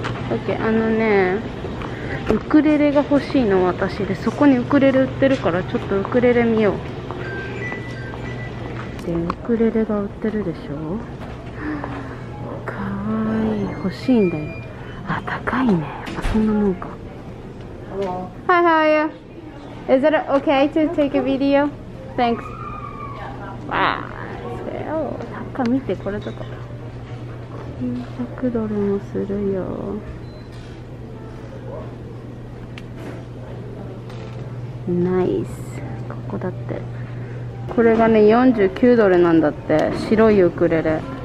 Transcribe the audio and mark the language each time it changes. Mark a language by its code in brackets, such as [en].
[ja] OK、 あのね、ウクレレが欲しいの私で、そこにウクレレ売ってるから、ちょっとウクレレ見よう。で、ウクレレが売ってるでしょ。かわいい、欲しいんだよ。あ、高いね、やっぱそんなもんか。 [en] Hi, how are you? Is it okay to take a video? Thanks. Wow, so, [ja] 高い、見て、これとか200ドルもするよ。ナイス、ここだって。これがね、49ドルなんだって、白いウクレレ。